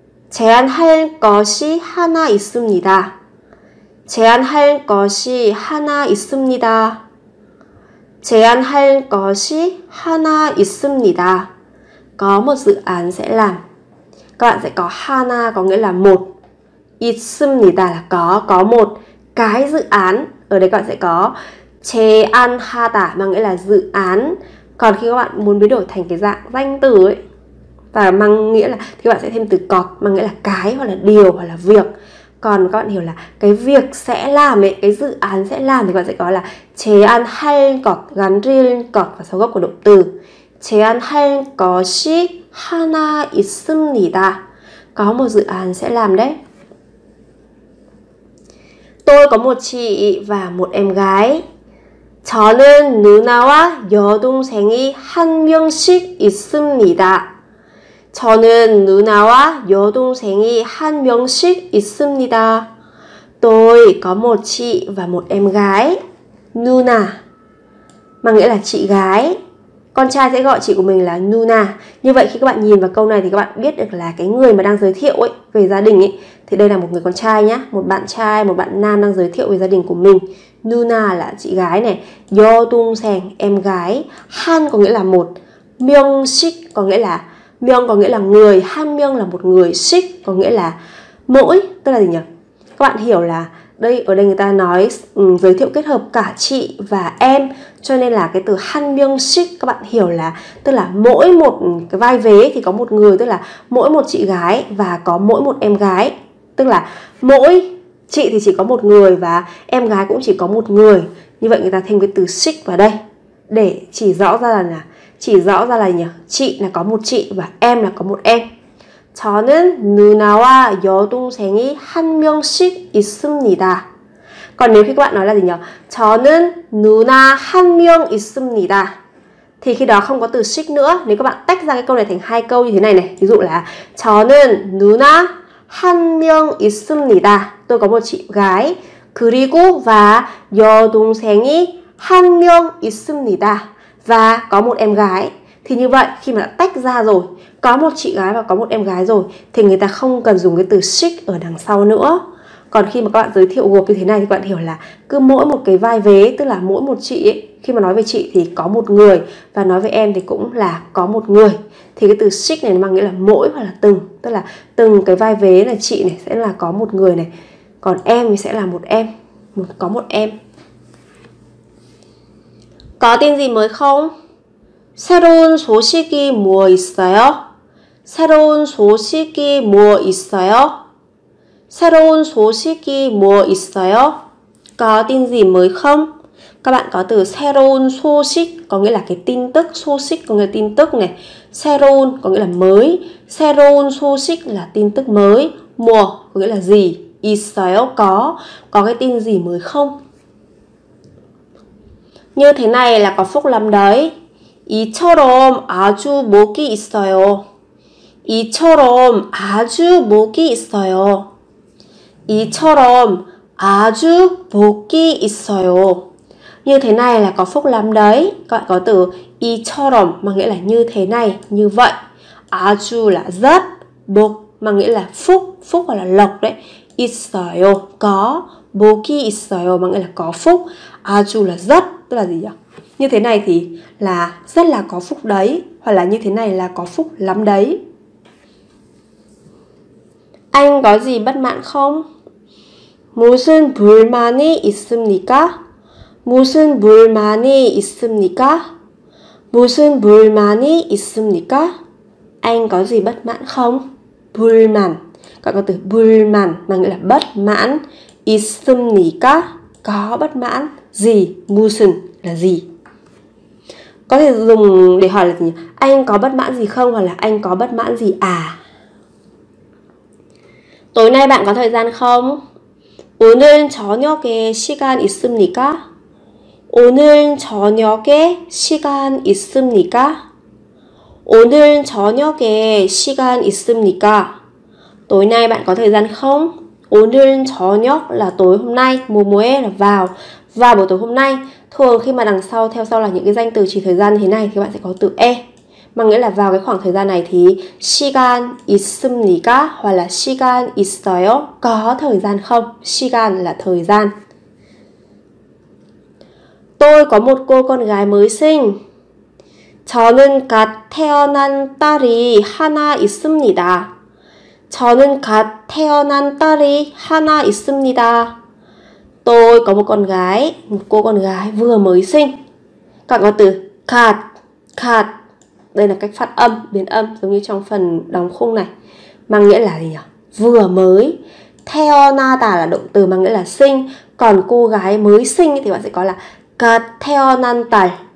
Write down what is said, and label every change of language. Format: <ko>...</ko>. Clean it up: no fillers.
<ko>제안할 것이 하나 있습니다. 제안할 것이 하나 있습니다. 제안할 것이 하나 있습니다.</ko> <vi>Có một dự án sẽ làm. Các bạn sẽ có 하나 có nghĩa là một. 있습니다 là có một cái dự án. Ở đây các bạn sẽ có 제안하다 mà nghĩa là dự án. Còn khi các bạn muốn biến đổi thành cái dạng danh từ ấy, và mang nghĩa là thì các bạn sẽ thêm từ cọt mang nghĩa là cái hoặc là điều hoặc là việc. Còn các bạn hiểu là cái việc sẽ làm ấy, cái dự án sẽ làm thì các bạn sẽ có là</vi> <ko>제안할 것,</ko> <vi>gắn riêng cọt và sau gốc của động từ.</vi> <ko>제안할 것이 하나 있습니다.</ko> <vi>Có một dự án sẽ làm đấy. Tôi có một chị và một em gái.</vi> <ko>저는 누나와 여동생이 한 명씩 있습니다. 저는 누나와 여동생이 한 명씩 있습니다.</ko> <vi>Tôi có một chị và một em gái. Nuna mà nghĩa là chị gái. con trai sẽ gọi chị của mình là Nuna. Như vậy khi các bạn nhìn vào câu này thì các bạn biết được là cái người mà đang giới thiệu ấy về gia đình ấy thì đây là một người con trai nhá, một bạn trai, một bạn nam đang giới thiệu về gia đình của mình. Nuna là chị gái này, Yo Tung Seng em gái, Han có nghĩa là một, Myung Sik có nghĩa là, Myung có nghĩa là người, Han Myung là một người, Sik có nghĩa là mỗi, tức là gì nhỉ? Các bạn hiểu là đây, ở đây người ta nói giới thiệu kết hợp cả chị và em, cho nên là cái từ Han Myung Sik các bạn hiểu là tức là mỗi một cái vai vế thì có một người, tức là mỗi một chị gái và có mỗi một em gái, tức là mỗi chị thì chỉ có một người và em gái cũng chỉ có một người. Như vậy người ta thêm cái từ Sik vào đây để chỉ rõ ra là nhỉ? Chỉ rõ ra là nhỉ? Chị là có một chị và em là có một em.</vi> <ko>저는 누나와 여동생이 한 명씩 있습니다.</ko> <vi>Còn nếu khi các bạn nói là gì nhỉ?</vi> <ko>저는 누나 한 명 있습니다.</ko> <vi>Thì khi đó không có từ 식 nữa. Nếu các bạn tách ra cái câu này thành hai câu như thế này này. Ví dụ là</vi> <ko>저는 누나 한 명 있습니다.</ko> <vi>Tôi có một chị gái.</vi> <ko>그리고 và 여동생이 한 명 있습니다.</ko> <vi>Và có một em gái. Thì như vậy khi mà đã tách ra rồi, có một chị gái và có một em gái rồi, thì người ta không cần dùng cái từ sik ở đằng sau nữa. Còn khi mà các bạn giới thiệu gộp như thế này thì các bạn hiểu là cứ mỗi một cái vai vế, tức là mỗi một chị ấy, khi mà nói về chị thì có một người, và nói về em thì cũng là có một người. Thì cái từ sik này nó mang nghĩa là mỗi hoặc là từng, tức là từng cái vai vế là chị này sẽ là có một người này, còn em thì sẽ là một em, một có một em. Có tin gì mới không?</vi> <ko>새로운 소식이 뭐 있어요? 새로운 소식이 뭐 있어요? 새로운 소식이 뭐 있어요?</ko> <vi>Có tin gì mới không? Các bạn có từ</vi> <ko>새로운 소식</ko> <vi>có nghĩa là cái tin tức, 소식 có nghĩa là tin tức này. 새로운 có nghĩa là mới.</vi> <ko>새로운 소식</ko> <vi>là tin tức mới. 뭐 có nghĩa là gì? 있어요 có. Có cái tin gì mới không? Như thế này là có phúc lắm đấy.</vi> <ko>이처럼 아주 목이 있어요. 이처럼 아주 목이 있어요. 이처럼 아주 목이 있어요.</ko> <vi>Như thế này là có phúc lắm đấy. Các bạn có từ 이처럼 mà nghĩa là như thế này, như vậy. 아주 là rất, 목 mà nghĩa là phúc, phúc hoặc là lộc đấy. 있어요 có,</vi> <ko>목이 있어요</ko> <vi>mà nghĩa là có phúc. 아주 là rất, tức là gì nhỉ? Như thế này thì là rất là có phúc đấy, hoặc là như thế này là có phúc lắm đấy. Anh có gì bất mãn không?</vi> <ko>무슨 불만이 있습니까? 무슨 불만이 있습니까? 무슨 불만이 있습니까?</ko> <vi>Anh có gì bất mãn không? 불만, các bạn có từ 불만 mà nghĩa là bất mãn.</vi> <ko>있습니까?</ko> <vi>Có bất mãn gì? 무슨 là gì? Có thể dùng để hỏi là gì? Anh có bất mãn gì không, hoặc là anh có bất mãn gì à? Tối nay bạn có thời gian không?</vi> <ko>오늘 저녁에 시간 있습니까? 오늘 저녁에 시간 있습니까? 오늘 저녁에 시간 있습니까?</ko> <vi>Tối nay bạn có thời gian không?</vi> <ko>오늘 저녁</ko> <vi>là tối hôm nay, 뭐뭐에 là vào. Vào buổi tối hôm nay, thường khi mà đằng sau theo sau là những cái danh từ chỉ thời gian như thế này thì bạn sẽ có từ e, mà nghĩa là vào cái khoảng thời gian này thì</vi> <ko>시간 있습니까</ko> <vi>hoặc là</vi> <ko>시간 있어요</ko> <vi>có thời gian không? 시간 là thời gian. Tôi có một cô con gái mới sinh.</vi> <ko>저는 갓 태어난 딸이 하나 있습니다. 저는 갓 태어난 딸이 하나 있습니다.</ko> <vi>Tôi có một con gái, một cô con gái vừa mới sinh. Các bạn có từ gạt, gạt. Đây là cách phát âm, biến âm giống như trong phần đóng khung này. Mang nghĩa là gì nhỉ? Vừa mới. Theo na tả là động từ mang nghĩa là sinh. Còn cô gái mới sinh thì bạn sẽ có là gạt theo nan tài.</vi>